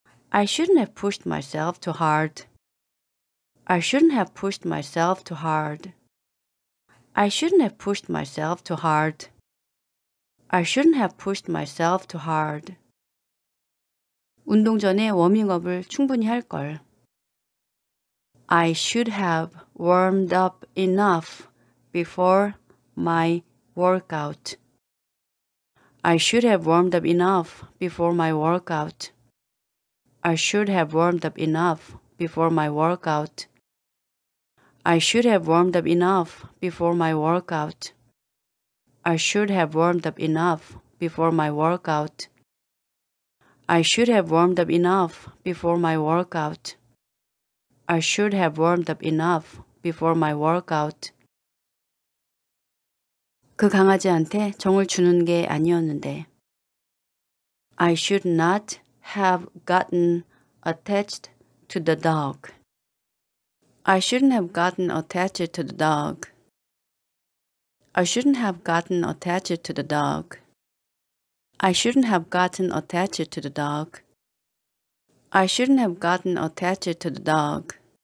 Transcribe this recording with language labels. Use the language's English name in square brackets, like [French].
[English] I shouldn't have pushed myself too hard. I shouldn't have pushed myself too hard. I shouldn't have pushed myself too hard. I shouldn't have pushed myself too hard. [Korean] 운동 전에 워밍업을 충분히 할 걸. [English] I should have warmed up enough before my workout. I should have warmed up enough before my workout. I should have warmed up enough before my workout. I should have warmed up enough before my workout. I should have warmed up enough before my workout. I should have warmed up enough before my workout. I should have warmed up enough before my workout. [Korean] 그 강아지한테 정을 주는 게 아니었는데. [English] I should not have gotten attached to the dog. I shouldn't have gotten attached to the dog. I shouldn't have gotten attached to the dog. I shouldn't have gotten attached to the dog. I shouldn't have gotten attached to the dog.